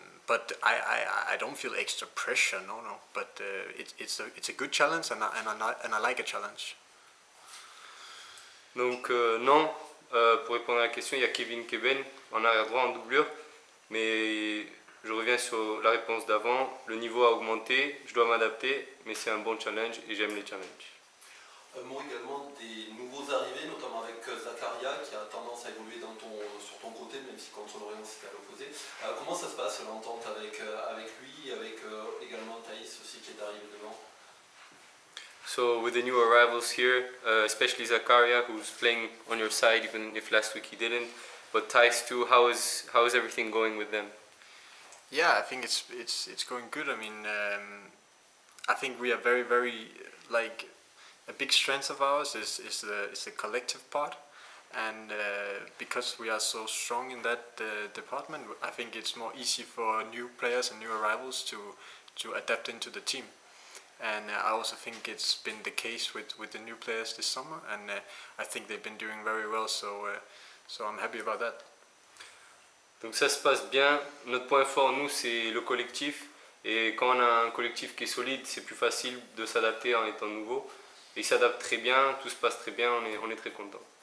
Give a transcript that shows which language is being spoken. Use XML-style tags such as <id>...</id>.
<en>But I don't feel extra pressure, no. But it's a good challenge and I like a challenge.</en> <fr>Donc non, pour répondre à la question, il y a Kevin Keben en arrière droit en doublure. Mais je reviens sur la réponse d'avant. Le niveau a augmenté, je dois m'adapter, mais c'est un bon challenge et j'aime les challenges. Un mot également des nouveaux arrivés, notamment avec Zakaria qui a tendance à évoluer sur ton côté, même si contre l'Orient c'était à l'opposé. Comment ça se passe l'entente avec lui, avec également Thaïs aussi qui est arrivé devant?</fr> <en>So with the new arrivals here, especially Zakaria, who's playing on your side, even if last week he didn't, but Thais too, how is everything going with them? Yeah, I think it's going good. I mean, I think we are very, very, like, a big strength of ours is the collective part, and because we are so strong in that department, I think it's more easy for new players and new arrivals to adapt into the team. And I also think it's been the case with the new players this summer, and I think they've been doing very well, so I'm happy about that.</en> <fr>Donc ça se passe bien. Notre point fort, nous, c'est le collectif. Et quand on a un collectif qui est solide, c'est plus facile de s'adapter en étant nouveau. Et ils s'adaptent très bien, tout se passe très bien, on est très contents.</fr>